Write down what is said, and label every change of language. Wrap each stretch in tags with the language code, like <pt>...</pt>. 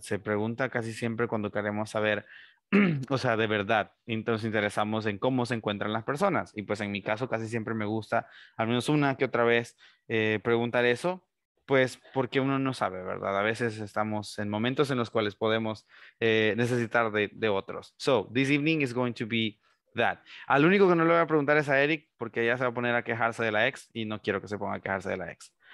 <es>Se pregunta casi siempre cuando queremos saber, o sea, de verdad, entonces interesamos en cómo se encuentran las personas. Y pues en mi caso casi siempre me gusta, al menos una que otra vez, preguntar eso. Pues porque uno no sabe, ¿verdad? A veces estamos en momentos en los cuales podemos necesitar de otros.</es> <en>So, this evening is going to be that.</en> <es>Al único que no le voy a preguntar es a Eric, porque ya se va a poner a quejarse de la ex y no quiero que se ponga a quejarse de la ex.</es>